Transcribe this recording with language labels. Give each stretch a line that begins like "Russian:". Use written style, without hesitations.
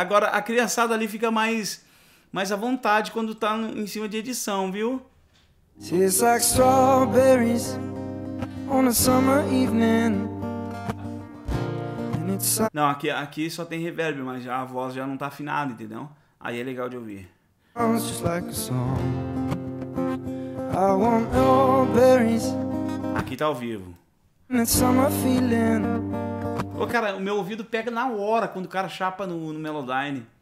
Portuguese: Agora, a criançada ali fica mais à vontade quando tá em cima de edição, viu?
English: It's like strawberries on a summer evening. It's a...
Portuguese: Não, aqui só tem reverb, mas já a voz já não tá afinada, entendeu? Aí é legal de ouvir.
English: Sounds just like a song. I want all berries.
Portuguese: Aqui tá ao vivo.
English: It's summer feeling.
Portuguese: Pô, cara, o meu ouvido pega na hora quando o cara chapa no Melodyne.